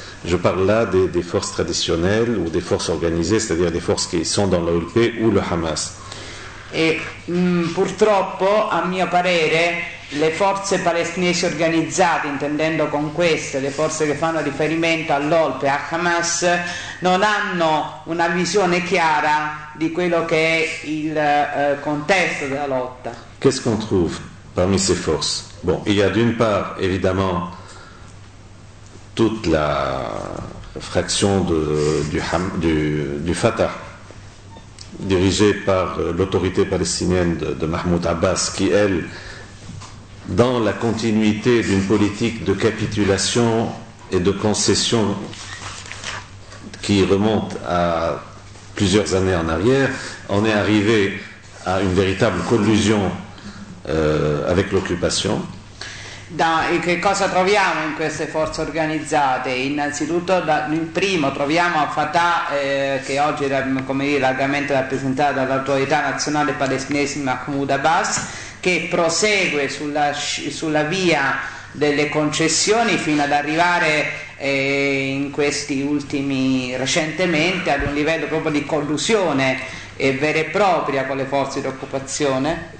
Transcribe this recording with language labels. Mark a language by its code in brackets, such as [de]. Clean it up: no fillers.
[fr] Je parle là des forces traditionnelles ou des forces organisées, c'est-à-dire des forces qui sont dans l'OLP ou le Hamas. [it] Et purtroppo, à mio parere, le forze palestinesi organizzate, intendendo con queste le forze che fanno riferimento all'OLP e a Hamas, non hanno una visione chiara di quello che è il contesto della lotta. [fr] Qu'est-ce qu'on trouve parmi ces forces? Bon, il y a d'une part évidemment toute la fraction du Fatah, dirigée par l'autorité palestinienne de Mahmoud Abbas, qui elle, dans la continuité d'une politique de capitulation et de concession qui remonte à plusieurs années en arrière, on est arrivé à une véritable collusion avec l'occupation. [it] E che cosa troviamo in queste forze organizzate? Innanzitutto, in primo, troviamo Fatah, che oggi è, come dire, largamente rappresentata dall'autorità nazionale palestinese Mahmoud Abbas, che prosegue sulla via delle concessioni fino ad arrivare in questi ultimi recentemente ad un livello proprio di collusione e vera e propria con le forze di occupazione.